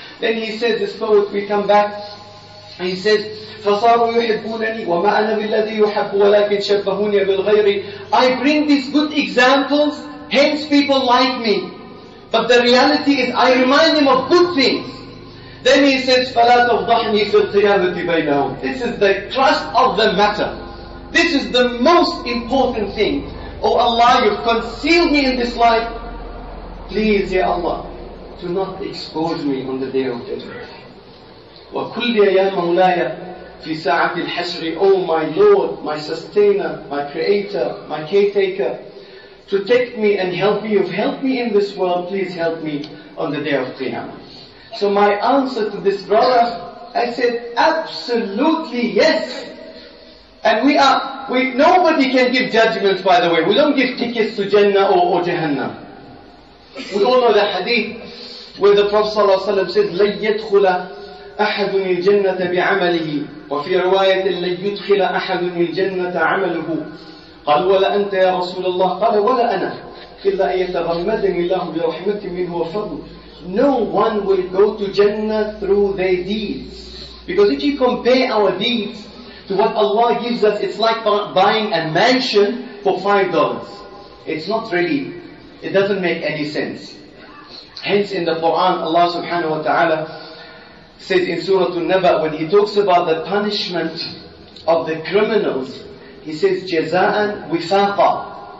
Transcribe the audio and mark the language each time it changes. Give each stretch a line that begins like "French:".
English: Then he says, this poet, we come back, and he says,
Arabic: فَصَارُوا يُحِبُّونَنِي وَمَا أَنَا بِالَّذِي يُحَبُّ وَلَكِنْ شَبَّهُونِيَ بِالْغَيْرِ.
English: I bring these good examples, hence people like me. But the reality is, I remind him of good things. Then he says,
Arabic: فَلَا تَفْضَحْنِي فِي الْقِيَامَةِ بَيْنَهُمْ.
English: This is the crux of the matter. This is the most important thing. Oh Allah, you've concealed me in this life. Please, Ya Allah, do not expose me on the day of judgment.
Arabic: وَكُلِّيَ يَا مَوْلَايَ فِي سَاعَةِ الْحَشْرِ.
English: Oh my Lord, my sustainer, my creator, my caretaker. To take me and help me. You've helped me in this world. Please help me on the day of Qiyamah. So my answer to this brother, I said, absolutely yes. And nobody can give judgments, by the way. We don't give tickets to Jannah or Jahannam. We all know the hadith where the Prophet ﷺ said,
Arabic: لَنْ يَدْخُلَ أحد الجنة بعمله، وفي رواية لن يدخل أحد الجنة عمله. قال ولا أنت يا رسول الله؟ قال ولا أنا إلا أن يتغمدني الله برحمة منه وفضل.
English: No one will go to Jannah through their deeds. Because if you compare our deeds to what Allah gives us, it's like buying a mansion for $5. It's not really, it doesn't make any sense. Hence in the Quran, Allah subhanahu wa ta'ala says in Surah An-Naba, when he talks about the punishment of the criminals, he says,
Arabic: جَزَاءً وِفَاقًا.